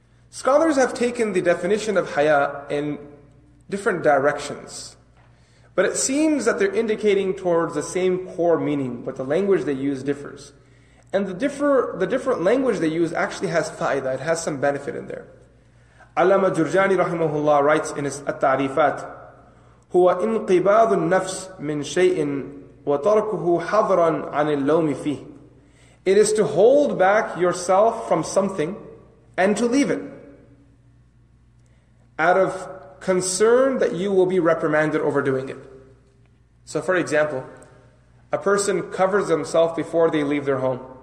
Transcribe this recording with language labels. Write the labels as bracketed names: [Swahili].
[English] Scholars have taken the definition of haya in different directions. But it seems that they're indicating towards the same core meaning, but the language they use differs. And the different language they use actually has fa'idah, it has some benefit in there. Allama Jurjani rahimahullah writes in his At-Ta'rifat, [Arabic] هُوَ إِنْقِبَاضُ النَّفْسِ مِنْ شَيْءٍ وَتَرْكُهُ حَضْرًا عَنِ اللَّوْمِ فِيهِ. [English] It is to hold back yourself from something and to leave it out of concern that you will be reprimanded over doing it. So for example, a person covers themselves before they leave their home.